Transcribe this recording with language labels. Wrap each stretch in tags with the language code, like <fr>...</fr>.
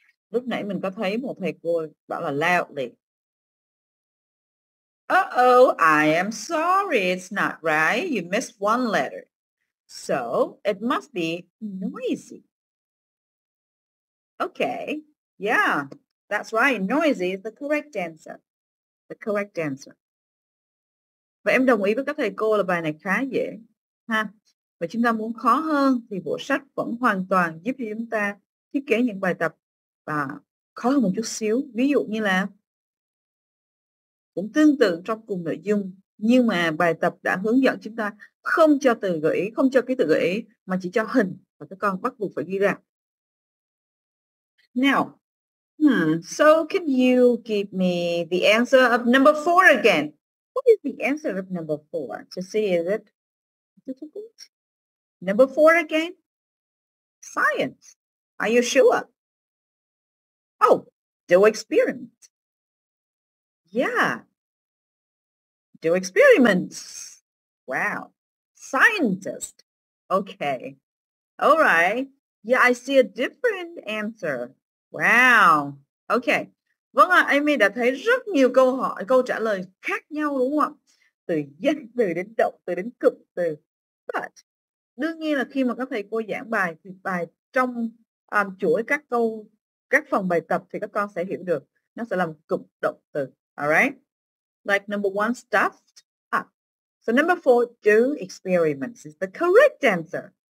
<vi>Lúc nãy mình có thấy một thầy cô bảo là loudly.</vi> <en>Uh-oh, I am sorry, it's not right. You missed one letter. So, it must be noisy. Okay, yeah, that's why noisy is the correct answer. The correct answer.</en> <vi>Và em đồng ý với các thầy cô là bài này khá dễ. Ha. Và chúng ta muốn khó hơn thì bộ sách vẫn hoàn toàn giúp cho chúng ta thiết kế những bài tập khó hơn một chút xíu. Ví dụ như là cũng tương tự trong cùng nội dung, nhưng mà bài tập đã hướng dẫn chúng ta không cho từ gợi ý, không cho cái từ gợi ý, mà chỉ cho hình và các con bắt buộc phải ghi ra.</vi> <en>Now, so can you give me the answer of number 4 again? What is the answer of number 4? To see, is it difficult? Number 4 again? Science. Are you sure? Oh, do experiment. Yeah. Do experiments. Wow. Scientist. Okay. All right. Yeah, I see a different answer. Wow. Okay.</en> <vi>Vâng ạ, Amy đã thấy rất nhiều câu trả lời khác nhau đúng không ạ? Từ danh từ đến động từ đến cụm từ. But đương nhiên là khi mà các thầy cô giảng bài thì bài trong chuỗi các câu, các phần bài tập thì các con sẽ hiểu được. Nó sẽ là một cụm động từ. Alright?</vi> <en>Like number one, stuffed up. So number four, do experiments is the correct answer.</en>